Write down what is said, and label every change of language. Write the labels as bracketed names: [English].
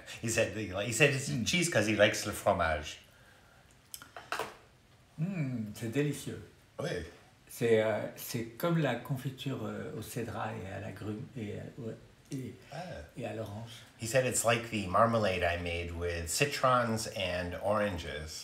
[English] He said cheese because he likes [French] le fromage. C'est délicieux. Oui. C'est comme la confiture au cédrat et à la grume et à l'orange. [English] He said it's like the marmalade I made with citrons and oranges.